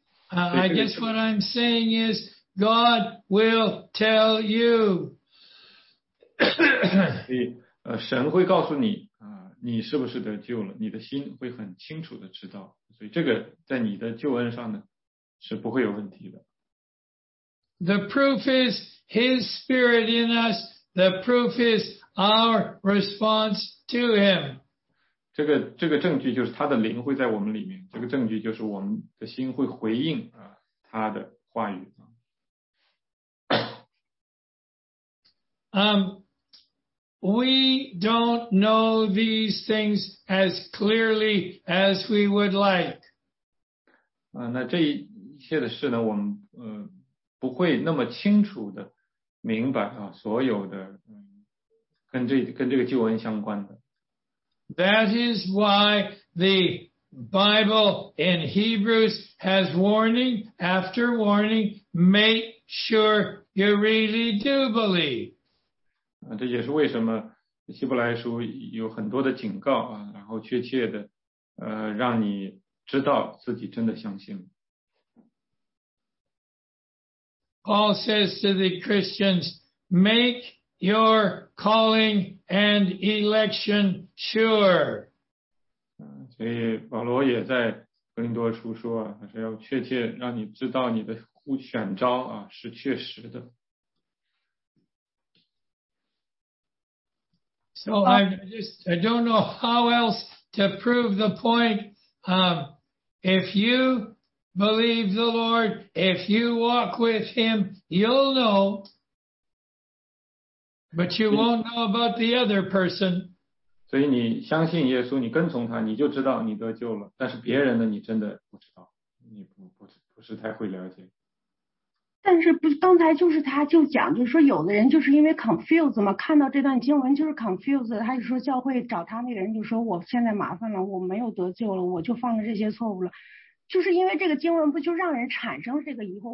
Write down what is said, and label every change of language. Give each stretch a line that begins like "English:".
English: I guess what I'm saying is God will tell you.
Chinese: 神会告诉你。你是不是得救了，你的心会很清楚的知道，所以这个在你的救恩上呢是不会有问题的。
English: The proof is his spirit in us, the proof is our response to him.
Chinese: 这个证据就是他的灵会在我们里面，这个证据就是我们的心会回应他的话语。
English: We don't know these things as clearly as we would like.
Chinese: 那这一切的事呢，我们不会那么清楚的明白啊，所有的跟这个救恩相关的。
English: That is why the Bible in Hebrews has warning after warning. Make sure you really do believe.
Chinese: 这也是为什么。希伯来书有很多的警告啊，然后确切的让你知道自己真的相信。
English: Paul says to the Christians, make your calling and election sure.
Chinese: 所以保罗也在哥林多书说啊，他说要确切让你知道你的呼选召啊是确实的。
English: So I don't know how else to prove the point. If you believe the Lord, if you walk with him, you'll know. But you won't know about the other person.
Chinese: 所以你相信耶稣，你跟从他，你就知道你得救了。但是别人的你真的不知道，你不是太会了解。但是不，刚才就是他就讲，就是说有的人就是因为 confuse 嘛，看到这段经文就是 confuse， 他就说教会找他那个人就说我现在麻烦了，我没有得救了，我就犯了这些错误了，就是因为这个经文不就让人产生这个疑惑。